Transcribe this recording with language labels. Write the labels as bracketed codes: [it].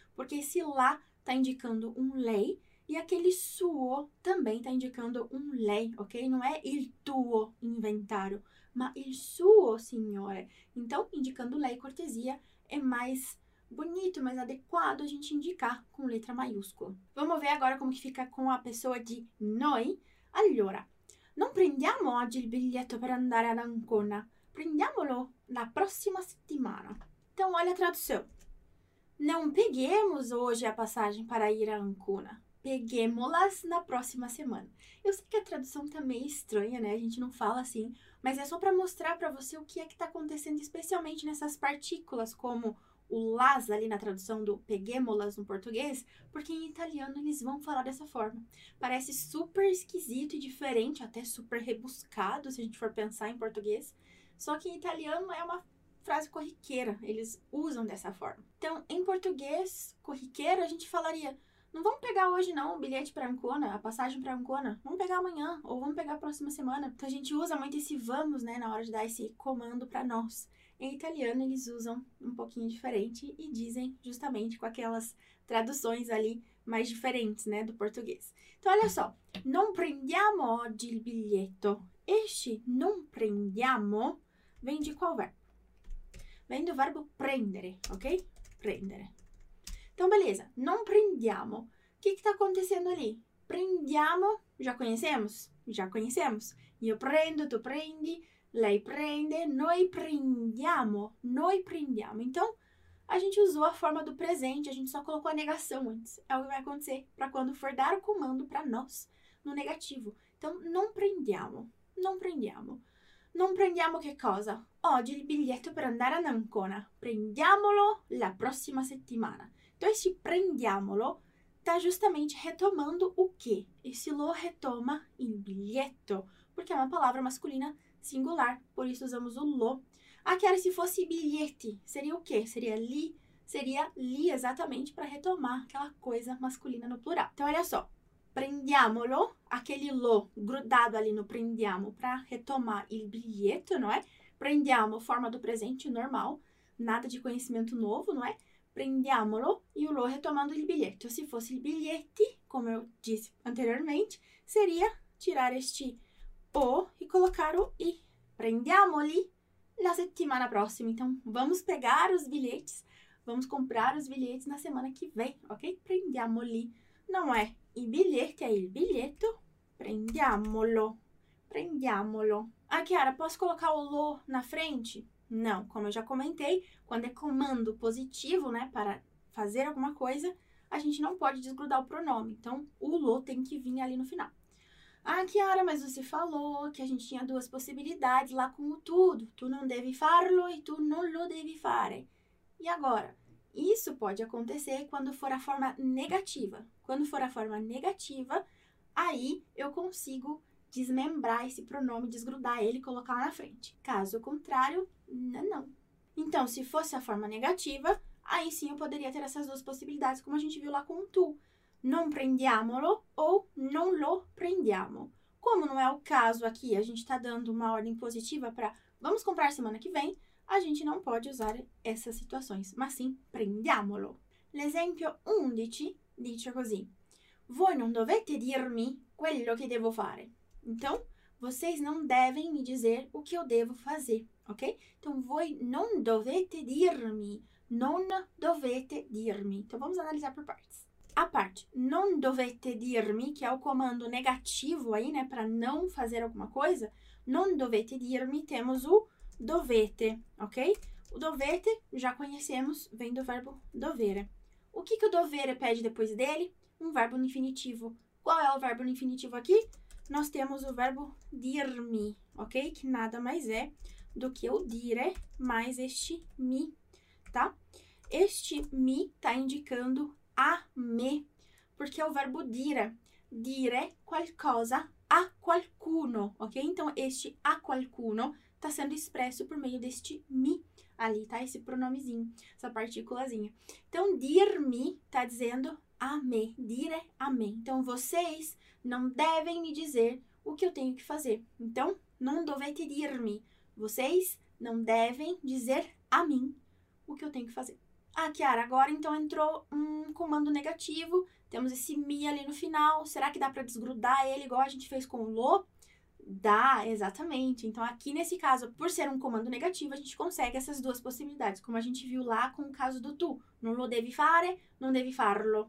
[pt] Porque esse lá tá indicando um lei e aquele suo também tá indicando um lei, ok? Não é [it] il tuo inventário, ma il suo, signore. [pt] Então, indicando lei e cortesia é mais bonito, mais adequado a gente indicar com letra maiúscula. Vamos ver agora como que fica com a pessoa de noi. [it] Allora, non prendiamo oggi il biglietto per andare ad Ancona. Prendiamolo la prossima settimana. [pt] Então, olha a tradução. Não peguemos hoje a passagem para ir a Ancona. Peguemo-las na próxima semana. Eu sei que a tradução tá meio estranha, né? A gente não fala assim, mas é só para mostrar para você o que é que tá acontecendo, especialmente nessas partículas, como o las ali na tradução do peguemo-las no português, porque em italiano eles vão falar dessa forma. Parece super esquisito e diferente, até super rebuscado, se a gente for pensar em português. Só que em italiano é uma frase corriqueira, eles usam dessa forma. Então, em português corriqueiro, a gente falaria: Não vamos pegar hoje, não, o bilhete para Ancona, a passagem para Ancona. Vamos pegar amanhã ou vamos pegar a próxima semana. Então a gente usa muito esse vamos, né, na hora de dar esse comando para nós. Em italiano eles usam um pouquinho diferente e dizem justamente com aquelas traduções ali mais diferentes, né, do português. Então olha só, [it] non prendiamo oggi il biglietto. [pt] Este non prendiamo vem de qual verbo? Vem do verbo prendere, ok? Prendere. Então beleza, [it] non prendiamo. [pt] O que está acontecendo ali? Prendiamo, já conhecemos? Já conhecemos. [it] Io prendo, tu prendi, lei prende, noi prendiamo, noi prendiamo. [pt] Então, a gente usou a forma do presente, a gente só colocou a negação antes. É o que vai acontecer para quando for dar o comando para nós no negativo. [it] Então, non prendiamo, non prendiamo. Non prendiamo che cosa? Oggi il biglietto per andare a Ancona. Prendiamolo la prossima settimana. [pt] Então, esse prendiamolo está justamente retomando o quê? Esse lo retoma il biglietto, porque é uma palavra masculina singular, por isso usamos o lo. Aquela, se fosse bilhete, seria o quê? Seria li exatamente para retomar aquela coisa masculina no plural. Então, olha só, prendiamolo, aquele lo grudado ali no prendiamo para retomar il biglietto, não é? Prendiamo, forma do presente normal, nada de conhecimento novo, não é? Prendiamolo e o lo retomando il biglietto. Se fosse il biglietti, como eu disse anteriormente, seria tirar este o e colocar o i. [it] Prendiamoli na settimana prossima. [pt] Então, vamos pegar os bilhetes, vamos comprar os bilhetes na semana que vem, ok? Prendiamoli. Não é [it] i biglietti, é il biglietto. Prendiamolo. [pt] Prendiamolo. Ah, Chiara, posso colocar o lo na frente? Não, como eu já comentei, quando é comando positivo, né, para fazer alguma coisa, a gente não pode desgrudar o pronome. Então, o lo tem que vir ali no final. Ah, Chiara, mas você falou que a gente tinha duas possibilidades lá com o tudo. [it] Tu non devi farlo e tu non lo devi fare. [pt] E agora? Isso pode acontecer quando for a forma negativa. Quando for a forma negativa, aí eu consigo desmembrar esse pronome, desgrudar ele e colocar lá na frente. Caso contrário, não. Então, se fosse a forma negativa, aí sim eu poderia ter essas duas possibilidades, como a gente viu lá com o tu. [it] Non prendiamolo [pt] ou [it] non lo prendiamo. [pt] Como não é o caso aqui, a gente está dando uma ordem positiva para vamos comprar semana que vem, a gente não pode usar essas situações, mas sim prendiamolo. [it] L'esempio 11 dice così: Voi non dovete dirmi quello che devo fare. [pt] Então, vocês não devem me dizer o que eu devo fazer, ok? [it] Então, voi non dovete dirmi. Non dovete dirmi. [pt] Então, vamos analisar por partes. A parte [it] non dovete dirmi, [pt] que é o comando negativo aí, né, para não fazer alguma coisa, non dovete dirmi, temos o dovete, ok? O dovete, já conhecemos, vem do verbo dovere. O que que o dovere pede depois dele? Um verbo no infinitivo. Qual é o verbo no infinitivo aqui? Nós temos o verbo dirmi, ok? Que nada mais é do que o dire mais este mi, tá? Este mi tá indicando a me, porque é o verbo dire. [it] Dire qualcosa a qualcuno, ok? [pt] Então, este a qualcuno tá sendo expresso por meio deste mi ali, tá? Esse pronomezinho, essa partículazinha. Então, dirmi tá dizendo a me, dire a me. Então, vocês não devem me dizer o que eu tenho que fazer. Então, [it] non dovete dirmi. [pt] Vocês não devem dizer a mim o que eu tenho que fazer. Ah, Chiara, agora então entrou um comando negativo. Temos esse mi ali no final. Será que dá para desgrudar ele igual a gente fez com o lo? Dá, exatamente. Então, aqui nesse caso, por ser um comando negativo, a gente consegue essas duas possibilidades, como a gente viu lá com o caso do tu. [it] Non lo devi fare, non devi farlo.